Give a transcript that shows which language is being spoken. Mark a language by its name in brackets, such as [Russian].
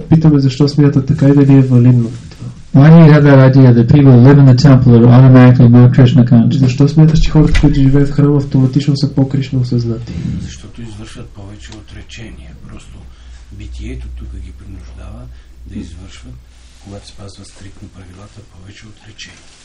[Bulgarian] Питаме защо смятат така и дали е валидно. [English] Why do you have that idea that people who live in the temple are automatically more Krishna conscious? [Bulgarian] Защо смяташ, че хората, които живеят в храма, автоматично са по-кришна осъзнати? Защото извършват повече отречения. Просто битието тук ги принуждава да извършват, когато спазва стриктно правилата, повече отречения.